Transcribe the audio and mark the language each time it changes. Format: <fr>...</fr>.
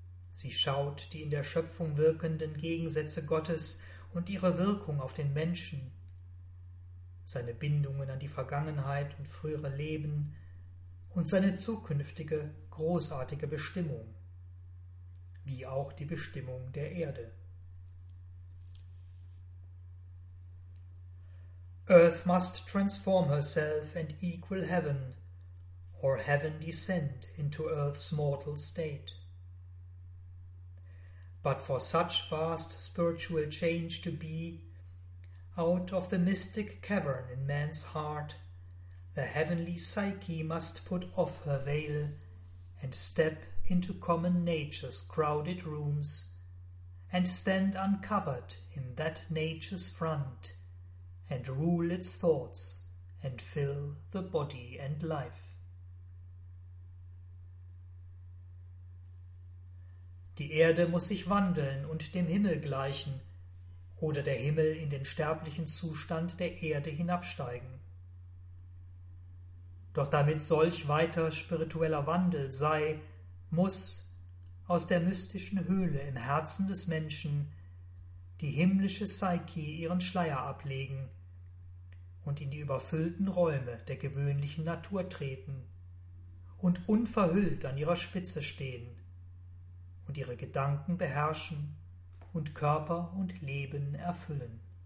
<de>Sie schaut die in der Schöpfung wirkenden Gegensätze Gottes und ihre Wirkung auf den Menschen, seine Bindungen an die Vergangenheit und frühere Leben und seine zukünftige, großartige Bestimmung, wie auch die Bestimmung der Erde.</de> <en>Earth must transform herself and equal heaven, or heaven descend into earth's mortal state. But for such vast spiritual change to be, out of the mystic cavern in man's heart, the heavenly psyche must put off her veil and step into common nature's crowded rooms and stand uncovered in that nature's front and rule its thoughts and fill the body and life.</en> <de>Die Erde muss sich wandeln und dem Himmel gleichen oder der Himmel in den sterblichen Zustand der Erde hinabsteigen. Doch damit solch weiter spiritueller Wandel sei, muss aus der mystischen Höhle im Herzen des Menschen die himmlische Psyche ihren Schleier ablegen und in die überfüllten Räume der gewöhnlichen Natur treten und unverhüllt an ihrer Spitze stehen und ihre Gedanken beherrschen und Körper und Leben erfüllen.</de>